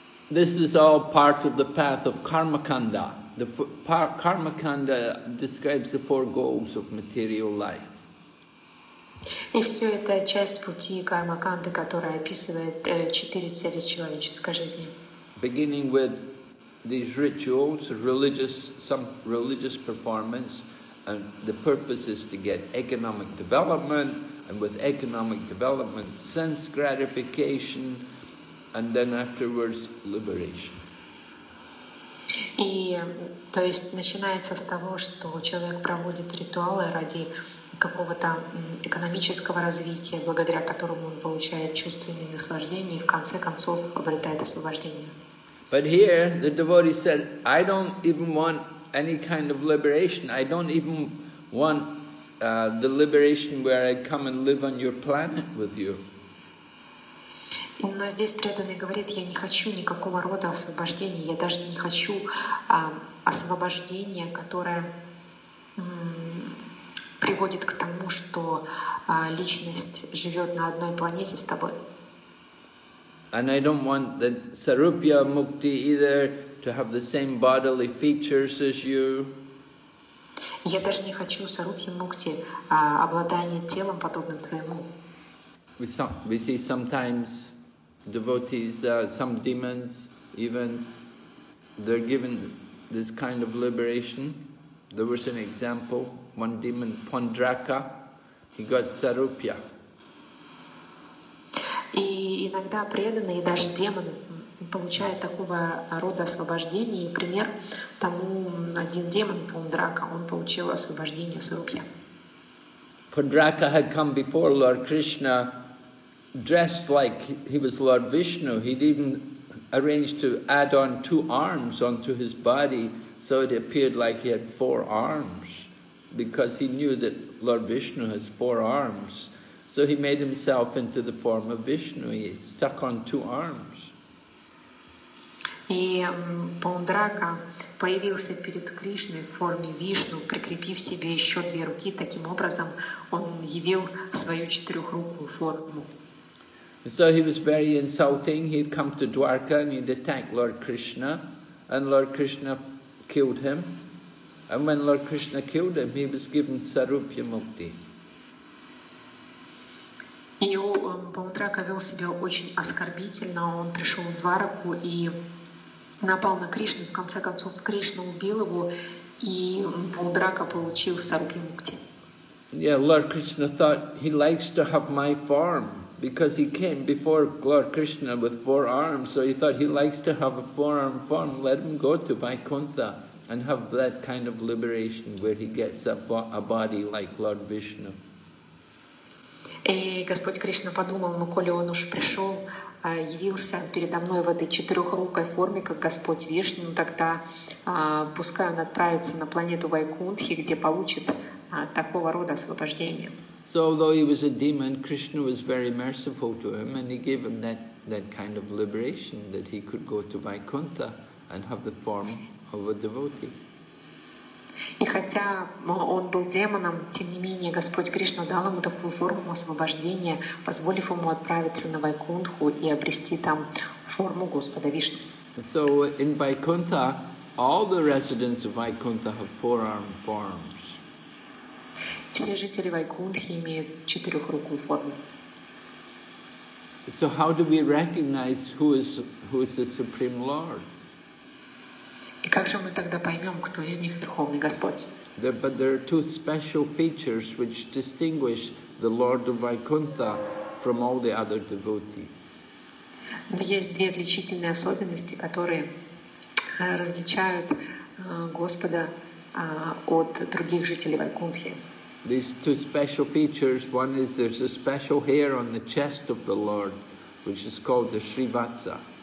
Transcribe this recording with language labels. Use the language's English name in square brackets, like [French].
[English] This is all part of the path of Karmakanda. The Karmakanda describes the four goals of material life. [Russian] И все это часть пути Кармаканды, которая описывает четыре цели человеческой жизни. [English] Beginning with these rituals, religious, some religious performance, and the purpose is to get economic development, and with economic development, sense gratification, and then afterwards, liberation. [Russian] И, то есть, начинается с того, что человек проводит ритуалы ради какого-то экономического развития, благодаря которому он получает чувственные наслаждения и в конце концов обретает освобождение. [English] But here the devotee said, I don't even want any kind of liberation. I don't even want the liberation where I come and live on your planet with you. [Russian] Но здесь преданный говорит, я не хочу никакого рода освобождения. Я даже не хочу освобождения, которое приводит к тому, что личность живет на одной планете с тобой. [English] And I don't want the sarupya mukti either, to have the same bodily features as you. [Russian] Я даже не хочу сарупья мукти, обладание телом подобным твоему. [English] We see sometimes devotees, some demons, even they're given this kind of liberation. There was an example. One demon, Pondraka, he got sarupya. [Russian] И иногда преданные, даже демоны, получают такого рода освобождение. И пример тому один демон, Пондрака, он получил освобождение сарупья. [English] Pondraka had come before Lord Krishna dressed like he was Lord Vishnu. He'd even arranged to add on two arms onto his body so it appeared like he had four arms. Because he knew that Lord Vishnu has four arms, so he made himself into the form of Vishnu. He stuck on two arms. [Russian] И Пондрака появился перед Кришной в форме Вишну, прикрепив себе еще две руки. Таким образом, он явил свою четырехрукую форму. [English] So he was very insulting. He'd come to Dwarka and he'd attack Lord Krishna, and Lord Krishna killed him. And when Lord Krishna killed him, he was given sarupya mukti. [Russian] И Пондрака вел себя очень оскорбительно. Он пришел в Двараку и напал на Кришну. В конце концов, Кришна убил его, и Пондрака получил сарупья мукти. [English] Yeah, Lord Krishna thought he likes to have my form because he came before Lord Krishna with four arms. So he thought he likes to have a four-arm form. Let him go to Vaikuntha. And have that kind of liberation where he gets a body like Lord Vishnu. [Russian] И Господь Кришна подумал, ну, коли он уж пришел, явился передо мной в этой четырехрукой форме, как Господь Вишну, тогда пускай он отправится на планету Вайкунтхи, где получит такого рода освобождение. [English] So although he was a demon, Krishna was very merciful to him, and he gave him that kind of liberation, that he could go to Vaikuntha and have the form of a devotee. [Russian] И хотя он был демоном, тем не менее Господь Кришна дал ему такую форму освобождения, позволив ему отправиться на Вайкунтху и обрести там форму Господа Вишну. [English] So in Vaikuntha, all the residents of Vaikuntha have four-arm forms. [Russian] Все жители Вайкунтхи имеют четырехрукую форму. [English] So how do we recognize who is the Supreme Lord? [Russian] И как же мы тогда поймем, кто из них Верховный Господь? [English] But there are two special features which distinguish the Lord of Vaikuntha from all the other devotees. [Russian] Но есть две отличительные особенности, которые различают Господа от других жителей Вайкунтхи. [English] These two special features, one is there's a special hair on the chest of the Lord, which is called the Shrivatsa.